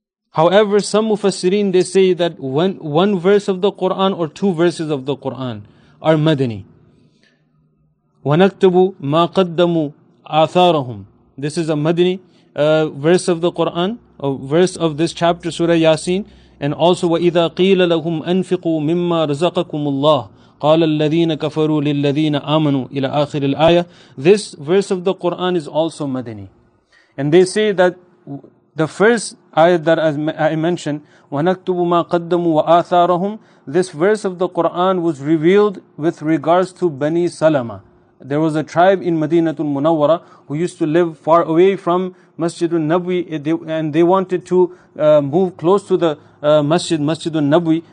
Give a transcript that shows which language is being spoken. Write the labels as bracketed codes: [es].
[en] However, some Mufassirin, they say that one verse of the Qur'an or two verses of the Qur'an are Madani. [ar] وَنَكْتُبُ مَا قَدَّمُوا آثَارَهُمْ. [en] This is a Madani verse of the Qur'an, a verse of this chapter, Surah Yasin. And also, [ar] وَإِذَا قِيلَ لَهُمْ أَنْفِقُوا مِمَّا رَزَقَكُمُ اللَّهُ قَالَ الَّذِينَ كَفَرُوا لِلَّذِينَ آمَنُوا إِلَىٰ آخِرِ الْآيَةِ. [en] This verse of the Qur'an is also Madani. And they say that the first ayat that I mentioned, [ar] وَنَكْتُبُ مَا قَدَّمُوا وَآثَارَهُمْ, [en] this verse of the Qur'an was revealed with regards to Bani Salama. There was a tribe in Madinatul Munawwara who used to live far away from Masjidul Nabwi, and they wanted to move close to the Masjidul Nabwi.